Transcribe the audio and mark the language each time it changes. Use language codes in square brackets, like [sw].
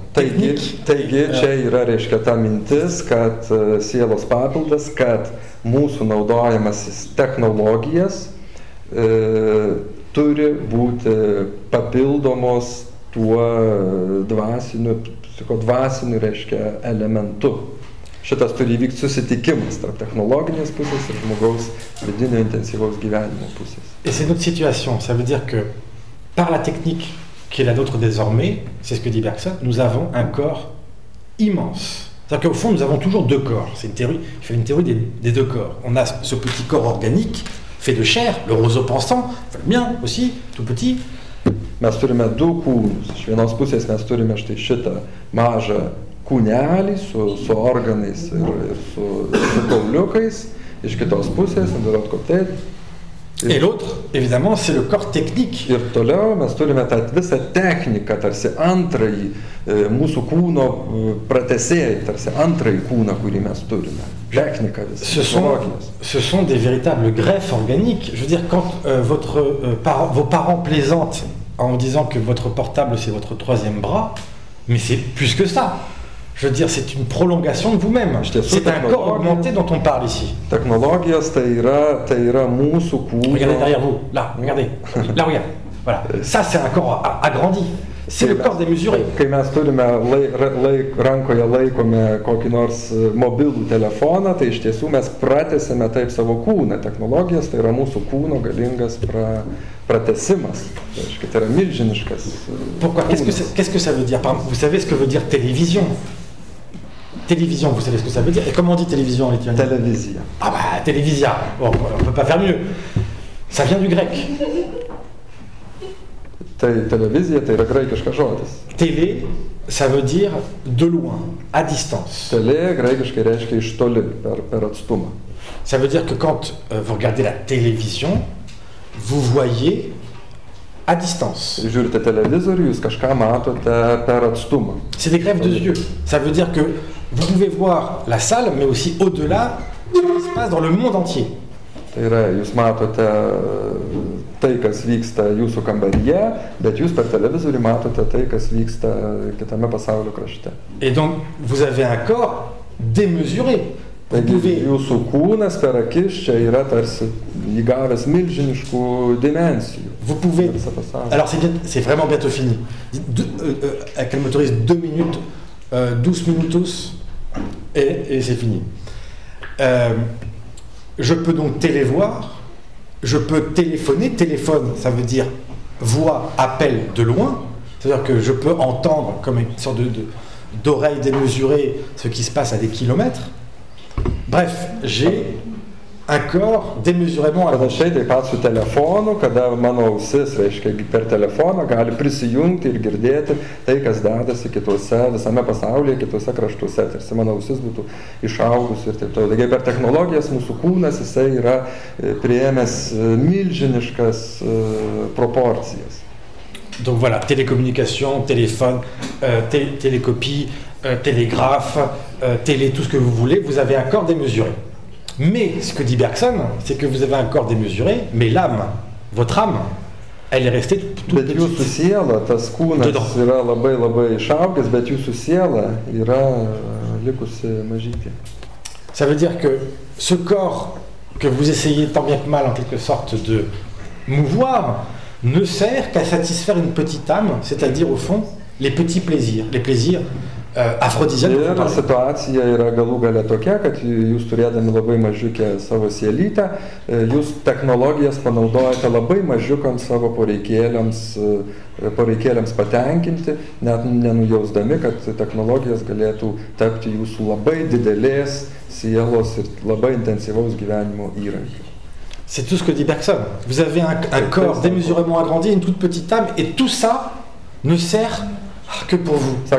[lt] Taigi, čia yra reiškia ta mintis, kad sielos papildas, kad mūsų naudojamasis technologijas turi būti papildomos tuo dvasiniu, psichodvasiniu, reiškia, elementu. Šitas turi įvykti susitikimas tarp technologinės pusės ir žmogaus vidinio intensyvaus gyvenimo pusės. [fr] Et c'est notre situation, ça veut dire que par la technique qui est la nôtre désormais, c'est ce que dit Bergson, nous avons un corps immense. C'est-à-dire qu'au fond, nous avons toujours deux corps. C'est une théorie, je fais une théorie des deux corps. On a ce petit corps organique, fait de chair, le roseau pensant, le mien aussi, tout petit. [lt] Mes turime deux kūnus. Iš vienos pusės mes turime štai šitą mažą kūnelį su organais ir su kauliukais. Iš kitos pusės, [fr] de l'autre côté. Et l'autre, évidemment, c'est le corps technique. [lt] Ir toliau mes turime tą visą techniką, tarsi antrąjį mūsų kūno pratesėjai, tarsi antrąjį kūną, kurį mes turime. Technika visą. [fr] Ce sont des véritables greffes organiques. Je veux dire, quand vos parents plaisantent en disant que votre portable, c'est votre troisième bras, mais c'est plus que ça. Je veux dire, c'est une prolongation de vous-même. C'est un corps augmenté dont on parle ici. [lt] Technologijos, tai yra mūsų kūno. [fr] Regardez derrière vous, là, regardez. Là, regarde. Voilà. Ça, c'est un corps agrandi. C'est le corps démesuré. [lt] Kai mes turime rankoje laikome kokį nors mobilų telefoną, tai iš tiesų mes pratesime taip savo kūną. Technologijos, tai yra mūsų kūno galingas pratesimas. Aiškiai, tai yra milžiniškas. [fr] Pourquoi? Qu'est-ce que ça veut dire? Vous savez ce que veut dire télévision? Télévision, vous savez ce que ça veut dire? Et comment on dit télévision en lituanien? Télévisia. Ah bah, télévisia. Bon, on ne peut pas faire mieux. Ça vient du grec. Télévisia, c'est le grec, quelque chose. Télé, ça veut dire de loin, à distance. [lt] Télé, grec, reiškia iš toli, per atstumą. [fr] Ça veut dire que quand vous regardez la télévision, vous voyez à distance. [lt] Žiūrite televizorių, jūs kažką matote per atstumą. [fr] C'est des greffes de yeux. Ça veut dire que vous pouvez voir la salle, mais aussi au-delà, ce qui se passe dans le monde entier. [lt] Tai yra, jūs matote tai, kas vyksta jūsų kambaryje, bet jūs per televizorių matote tai, kas vyksta kitame pasaulio krašte. [fr] Et donc, vous avez un corps démesuré. [lt] Taigi, jūsų kūnas per akis čia yra tarsi įgavęs milžiniškų dimensijų. [fr] Vous pouvez... Alors, c'est vraiment bientôt fini. Avec le motoriste, 2 minutes, 12 minutos, et c'est fini. Je peux donc télévoir, je peux téléphoner. Téléphone, ça veut dire voix, appel de loin. C'est-à-dire que je peux entendre comme une sorte d'oreille démesurée ce qui se passe à des kilomètres. Bref, j'ai un corps démesurément à l'achat des pas sur téléphone, [lt] quand mano ausis, reiškia, per telefoną gali prisijungti ir girdėti tai, kas dedasi kitose, visame pasaulyje, kitose kraštuose, tarsi mano ausis būtų išaugus ir taip toliau. Taigi per technologijas mūsų kūnas, jisai yra priėmęs milžiniškas proporcijas. [fr] Donc voilà, télécommunication, téléphone, télécopie, télégraphe, télé, tout ce que vous voulez, vous avez un corps démesuré. Mais ce que dit Bergson, c'est que vous avez un corps démesuré, mais l'âme, votre âme, elle est restée toute petite. [lt] Jūsų siela, tas kūnas yra labai labai išaugęs, bet jūsų siela yra likusi mažytė. [fr] Ça veut dire que ce corps que vous essayez tant bien que mal en quelque sorte de mouvoir ne sert qu'à satisfaire une petite âme, c'est-à-dire au fond les petits plaisirs, les plaisirs [lt] afrodiziakų. Situacija yra galų galia tokia, kad jūs turėdami labai mažiukę savo sielytę, jūs technologijas panaudojate labai mažiukam savo poreikėliams patenkinti, net nenujausdami, kad technologijas galėtų tapti jūsų labai didelės sielos ir labai intensyvaus gyvenimo įrankiu. [fr] C'est tout ce que dit Bergson. Vous avez un corps démesurément agrandi, une toute petite âme, et tout ça ne sert que pour vous.